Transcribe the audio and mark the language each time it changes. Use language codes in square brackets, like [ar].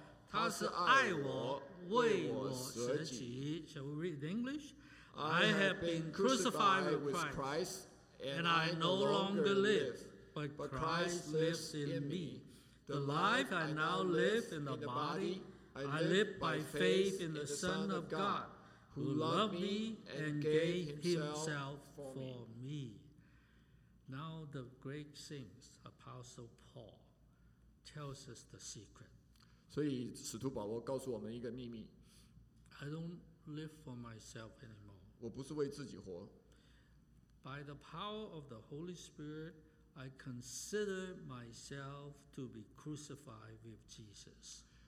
[zh] 我已经与基督同钉十字架，现在活着的不再是我，乃是基督在我里面活着，并且我如今在肉身活着，是因信神的儿子而活。他是爱我，为我舍己。 [en] Shall we read in English? I have been crucified with Christ, and I no longer live, but Christ lives in me. The life I now live in the body, I live by faith in the Son of God, who loved me and gave himself for me. Now the great saint, Apostle Paul, tells us the secret. [zh] 所以使徒保罗告诉我们一个秘密。 [en] I don't live for myself anymore. [zh] 我不是为自己活。 [en] By the power of the Holy Spirit, I consider myself to be crucified with Jesus.